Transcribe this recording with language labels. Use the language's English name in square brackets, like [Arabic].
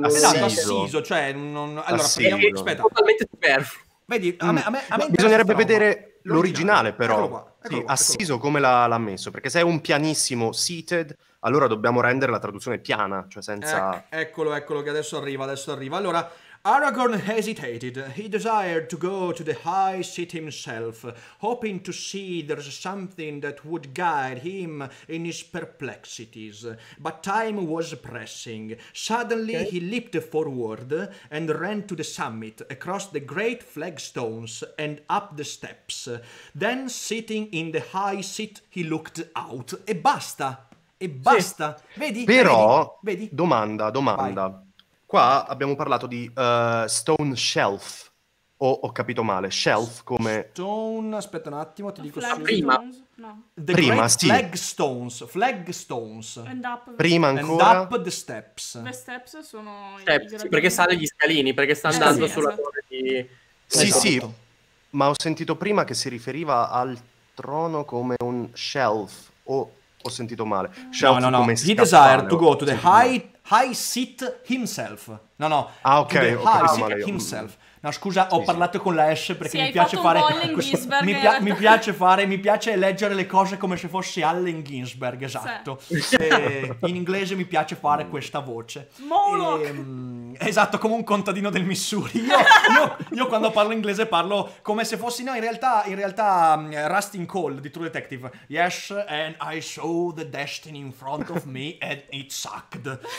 [Italian] Assiso, aspetta. Totalmente superfluo. Vedi, a me bisognerebbe vedere l'originale, però. Eccolo qua. Come l'ha messo, perché se è un pianissimo seated, allora dobbiamo rendere la traduzione piana, cioè senza... Eccolo che adesso arriva. Allora, [English] Aragorn hesitated. He desired to go to the high seat himself, hoping to see there's something that would guide him in his perplexities. But time was pressing. Suddenly he leaped forward and ran to the summit, across the great flagstones and up the steps. Then, sitting in the high seat, he looked out. [Italian] E basta. Sì. Vedi? Però, vedi? Domanda. Vai. Qua abbiamo parlato di stone shelf, ho capito male, shelf come... Stone, aspetta un attimo, ti dico... Prima. No. Prima, sì. [English] Flagstones. [Italian] Prima ancora. [English] And up the steps. The steps sono... [Italian] Steps, perché sale gli scalini, perché sta andando sulla torre di... Sì, ma ho sentito prima che si riferiva al trono come un shelf, ho sentito male. No. Come he scappano. [English] Desired to go to the high seat himself. [Italian] No. Ah, ok. [English] High seat himself. [Italian] No, scusa, ho parlato con la S perché sì, mi piace fare... questo... mi piace leggere le cose come se fossi Allen Ginsberg, esatto. Sì. E in inglese mi piace fare questa voce. [English] Moloch! [Italian] esatto, come un contadino del Missouri. Io quando parlo inglese parlo come se fossi, no, in realtà Rustin Cole di True Detective. [English] Yes, and I saw the destiny in front of me and it sucked.